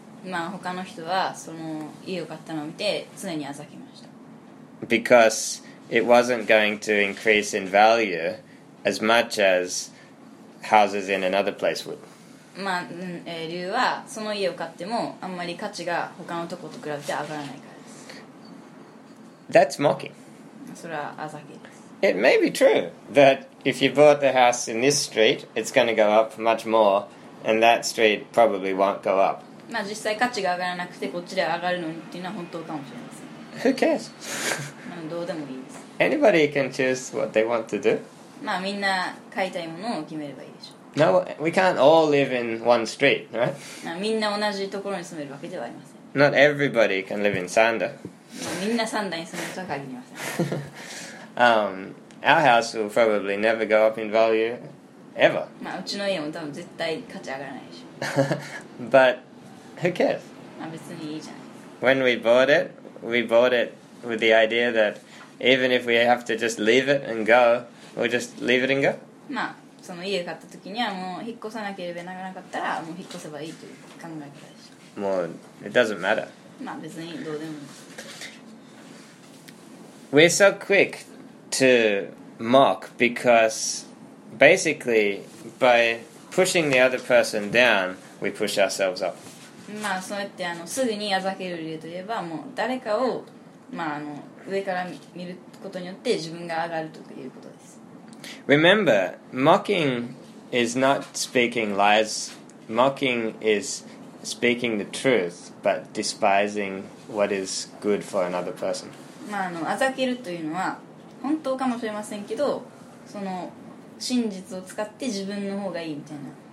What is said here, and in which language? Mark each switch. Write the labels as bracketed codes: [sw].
[ja] まあ他の人はその家を買ったのを見て常にあざけました。 [en] Because it wasn't going to increase in value as much as houses in another place would. [ja] まあ理由はその家を買ってもあんまり価値が他のとこと比べて上がらないからです。 [en] That's mocking. [ja] それはあざけです。 [en] It may be true that if you bought the house in this street, it's going to go up much more, and that street probably won't go up. [ja] まあ実際価値が上がらなくてこっちで上がるのにっていうのは本当かもしれません。 [en] Who cares? [ja] まあどうでもいいです。 [en] Anybody can choose what they want to do. [ja] まあみんな買いたいものを決めればいいでしょう。 [en] No, we can't all live in one street, right? [ja] みんな同じところに住めるわけではありません。 [en] Not everybody can live in Sanda. [ja] みんなサンダに住めるとは限りません。 [en] our house will probably never go up in value ever. [ja] まあ、うちの家も多分絶対価値上がらないでしょ。 [en] But who cares? [ja] まあ、別にいいじゃない。 [en] When we bought it with the idea that even if we have to just leave it and go, we'll just leave it and go. [ja] まあ、その家買った時にはもう引っ越さなければならなかったらもう引っ越せばいいという考え方でしょ。 [en] もう、it doesn't matter. [ja] まあ、別にどうでもいい。 [en] We're so quick to mock because basically by pushing the other person down, we push ourselves up. [ja] まあ、そうやってあのすぐにあざける理由といえば、もう誰かを、まあ、あの上から見ることによって自分が上がるということです。 [en] Remember, mocking is not speaking lies. Mocking is speaking the truth, but despising what is good for another person. [ja] まあ、あの、あざけるというのは本当かもしれませんけど、その真実を使って自分の方がいいみたいな。